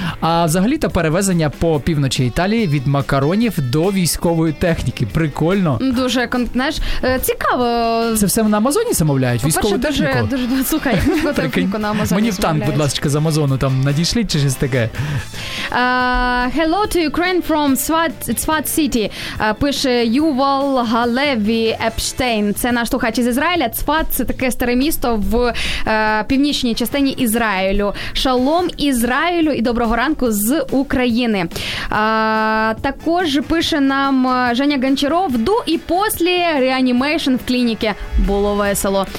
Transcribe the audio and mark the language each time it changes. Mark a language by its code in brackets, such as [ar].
[uk] А взагалі-то перевезення по півночі Італії від макаронів до військової техніки. Прикольно. Дуже, знаєш, цікаво. Це все на Амазоні замовляє? Військову дуже, техніку? Дуже, слухай, військову техніку на Амазоні. Мені в танк, будь ласка, з Амазону там надійшли чи щось таке? [en] Hello to Ukraine from Tzfat City. [uk] Пише Ювал Галеві Епштейн. Це наш слухач із Ізраїля. Цфат – це таке старе місто в північній частині Ізраїлю. Шалом Ізраїлю і доброго ранку з України. Також пише нам Женя Гончаров. До і послі реанімейшн в клініки. Було весело.